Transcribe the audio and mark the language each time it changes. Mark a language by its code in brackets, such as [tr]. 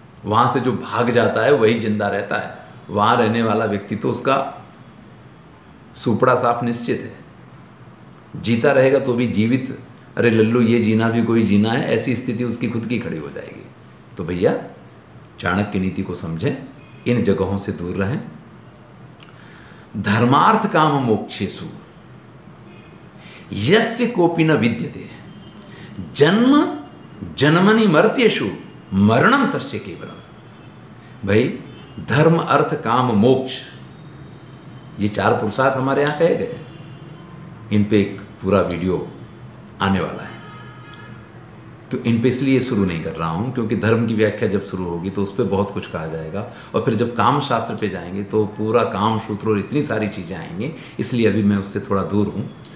[hi] वहां से जो भाग जाता है वही जिंदा रहता है, वहां रहने वाला व्यक्ति तो उसका सुपड़ा साफ निश्चित है, जीता रहेगा तो भी जीवित, अरे लल्लू ये जीना भी कोई जीना है, ऐसी स्थिति उसकी खुद की खड़ी हो जाएगी। तो भैया चाणक्य नीति को समझें, इन जगहों से दूर रहें। [sa] धर्मार्थ काम मोक्षेषु यस्य कोऽपि न विद्यते, जन्म जन्मनि मर्त्येषु मरणं तस्य केवलम्। [hi] भाई धर्म अर्थ काम मोक्ष ये चार पुरुषार्थ हमारे यहाँ कहे गए, इन पे एक पूरा वीडियो आने वाला है। तो इन पे इसलिए शुरू नहीं कर रहा हूँ क्योंकि धर्म की व्याख्या जब शुरू होगी तो उस पर बहुत कुछ कहा जाएगा, और फिर जब काम शास्त्र पे जाएंगे तो पूरा काम सूत्र और इतनी सारी चीज़ें आएंगी, इसलिए अभी मैं उससे थोड़ा दूर हूँ।